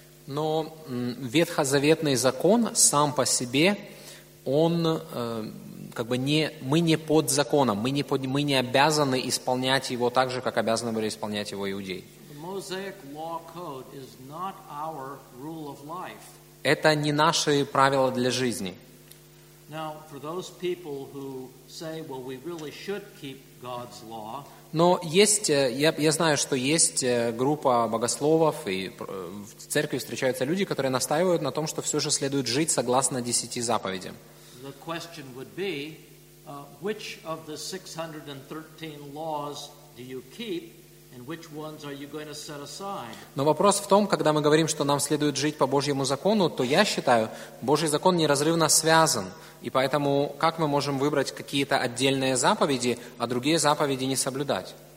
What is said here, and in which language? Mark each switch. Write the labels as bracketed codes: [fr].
[ru] Но ветхозаветный закон сам по себе, он как бы не, мы не под законом, мы не обязаны исполнять его так же, как обязаны были исполнять его иудеи. [en] The Mosaic law code is not our rule of life. [ru] Это не наши правила для жизни. [en] Now, for those people who say, well, we really should keep God's law. [ru] Но есть, я знаю, что есть группа богословов, и в церкви встречаются люди, которые настаивают на том, что все же следует жить согласно десяти заповедям. [en] The question would be, which of the 613 laws do you keep, and which ones are you going to set aside? [ru] Но вопрос в том, когда мы говорим, что нам следует жить по Божьему закону, то я считаю, Божий закон неразрывно связан, и поэтому как мы можем выбрать какие-то отдельные заповеди, а другие заповеди не соблюдать?